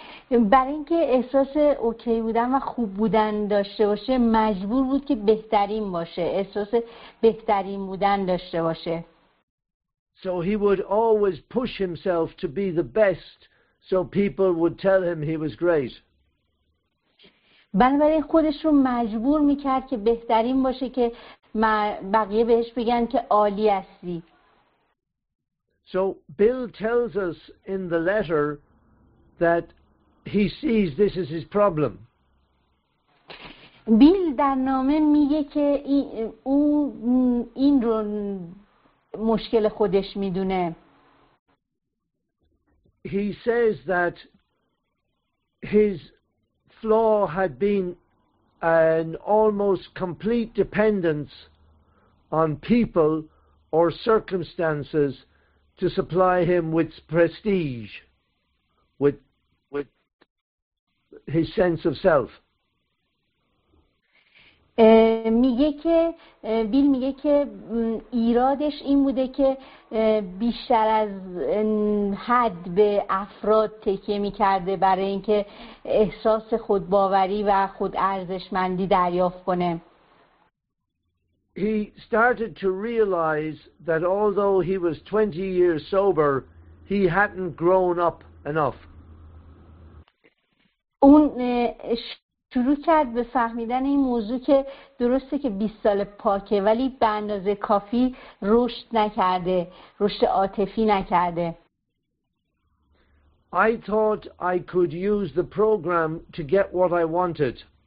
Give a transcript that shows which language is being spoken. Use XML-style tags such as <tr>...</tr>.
<fa>برای اینکه احساس اوکی بودن و خوب بودن داشته باشه مجبور بود که بهترین باشه، احساس بهترین بودن داشته باشه.</fa> <en>So he would always push himself to be the best so people would tell him he was great.</en> <fa>بنابراین خودش رو مجبور میکرد که بهترین باشه که بقیه بهش بگن که عالی هستی.</fa> <en>So Bill tells us in the letter that he sees this is his problem.</en> <fa>بیل در نامه میگه که او این رو مشکل خودش میدونه.</fa> <en>He says that his flaw had been an almost complete dependence on people or circumstances to supply him with prestige, with his sense of self.</en> <fa>میگه که بیل میگه که ایرادش این بوده که بیشتر از حد به افراد تکیه میکرده برای اینکه احساس خودباوری و خود ارزشمندی دریافت کنه.</fa> <en>He started to realize that although he was 20 years sober, he hadn't grown up enough.</en> <fa>اون شروع کرد به فهمیدن این موضوع که درسته که 20 سال پاکه ولی به اندازه کافی رشد نکرده، رشد عاطفی نکرده.</fa> <en>I thought I could use the program to get what I wanted.</en>